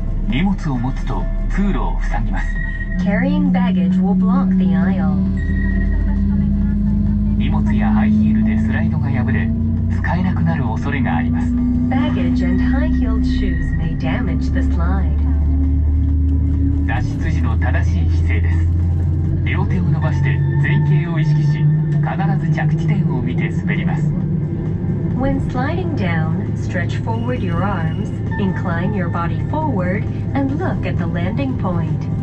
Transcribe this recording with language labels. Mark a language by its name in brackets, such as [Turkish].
[Japanese] 荷物を持つと通路を塞ぎます。 [English] Carrying baggage will block the aisle. [Japanese] 荷物やハイヒールでスライドが破れ、使えなくなる恐れがあります。 [English] Baggage and high-heeled shoes may damage the slide. [Japanese] 脱出時の正しい姿勢です。両手を伸ばして前傾を意識し、必ず着地点を見て滑ります。 [English] When sliding down, stretch forward your arms, incline your body forward, and look at the landing point.